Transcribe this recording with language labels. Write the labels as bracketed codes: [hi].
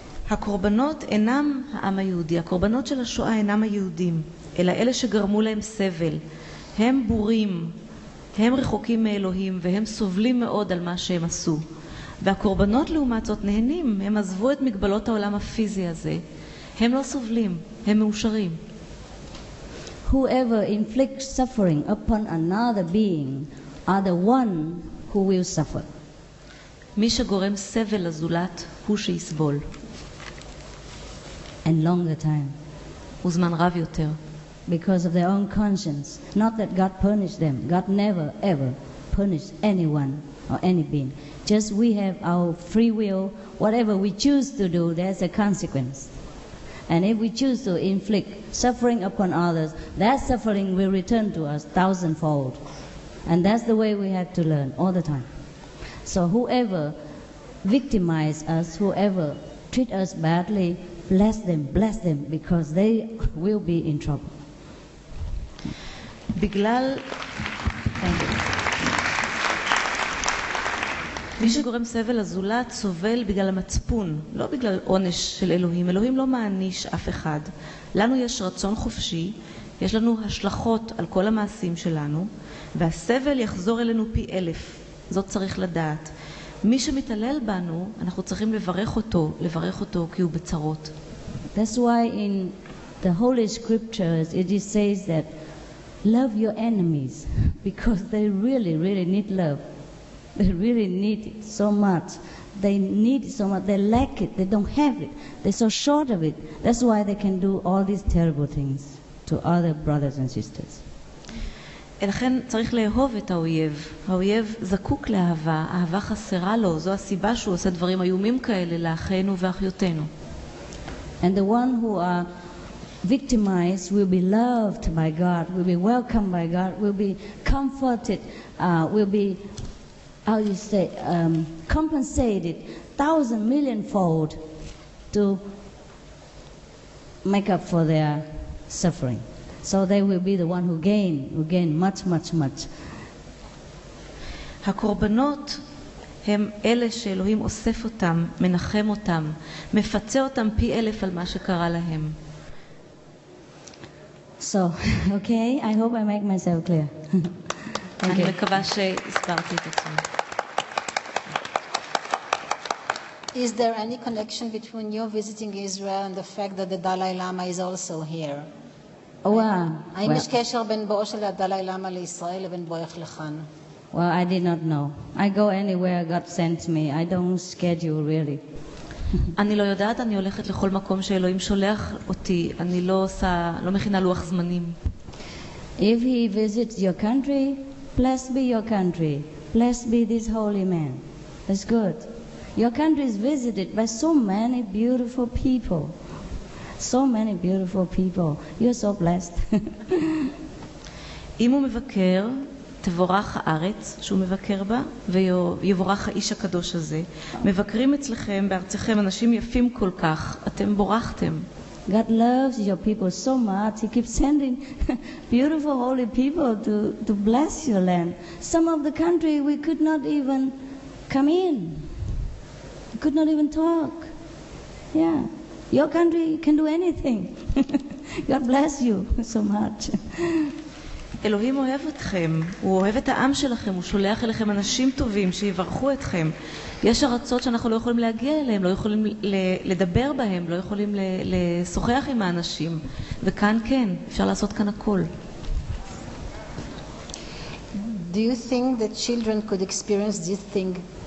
[he] הקורבנות אינם העם היהודי, הקורבנות של השואה אינם היהודים, אלא אלה שגרמו להם סבל. הם בורים, הם רחוקים מאלוהים, והם סובלים מאוד על מה שהם עשו. והקורבנות לעומת זאת נהנים, הם עזבו את מגבלות העולם הפיזי הזה, הם לא סובלים, הם מאושרים. [en] Whoever inflicts suffering upon another being are the one who will suffer. [he] מי שגורם סבל לזולת הוא שיסבול. [en] And longer time. [he] וזמן רב יותר. [en] Because of their own conscience, not that God punished them, God never ever punished anyone or any being. Just we have our free will, whatever we choose to do, there's a consequence. And if we choose to inflict suffering upon others, that suffering will return to us thousandfold. And that's the way we have to learn all the time. So whoever victimizes us, whoever treats us badly, bless them, because they will be in trouble. [he] Biglal, [en] thank you. [he] מי שגורם סבל לזולת סובל בגלל המצפון, לא בגלל עונש של אלוהים. אלוהים לא מעניש אף אחד. לנו יש רצון חופשי, יש לנו השלכות על כל המעשים שלנו, והסבל יחזור אלינו פי אלף. זאת צריך לדעת. מי שמתעלל בנו, אנחנו צריכים לברך אותו כי הוא בצרות. [en] That's why in the Holy Scriptures it just says that love your enemies because they really, really need love. They really need it so much. They need it so much. They lack it. They don't have it. They're so short of it. That's why they can do all these terrible things. to other brothers and sisters. [he] לכן צריך לאהוב את האויב. האויב זקוק לאהבה, אהבה חסרה לו. זו הסיבה שהוא עושה דברים איומים כאלה לאחינו ואחיותינו. [en] And the one who are victimized will be loved by God, will be welcomed by God, will be comforted, will be, how do you say, compensated thousand million fold to make up for their suffering. So they will be the one who gain much, much, much. [he] הקורבנות הם אלה שאלוהים אוסף אותם, מנחם אותם, מפצה אותם פי אלף על מה שקרה להם. [en] So, okay, I hope I make myself clear. [he] אני מקווה שהסברתי את עצמי. [en] Is there any connection between you visiting Israel and the fact that the Dalai Lama is also here? Well, [he] יש קשר בין בואו של הדלאי לאמה לישראל לבין בואך לכאן? [en] Well, I did not know. I go anywhere God sent me. I don't schedule really. [he] אני לא יודעת, אני הולכת לכל מקום שאלוהים שולח אותי. אני לא מכינה לוח זמנים. [en] If he visits your country, blessed be your country. Blessed be this holy man. That's good. Your country is visited by so many beautiful people. So many beautiful people. You're so blessed. [he] אם הוא מבקר, תבורך הארץ שהוא מבקר בה, ויבורך האיש הקדוש הזה. מבקרים אצלכם, בארצכם, אנשים יפים כל כך. אתם בורכתם. [en] God loves your people so much. He keeps sending beautiful holy people to bless your land. Some of the country we could not even come in. We could not even talk. Yeah. Your country can do anything. God bless you so much. [he] Elohim אוהב אתכם. הוא אוהב את העם שלכם. הוא שולח אליכם אנשים טובים שיברכו אתכם. יש ארצות שאנחנו לא יכולים להגיע אליהם, לא יכולים לדבר בהם, לא יכולים לשוחח עם האנשים. וכאן כן, אפשר לעשות כאן הכל. [en] Do you think that children could experience this thing?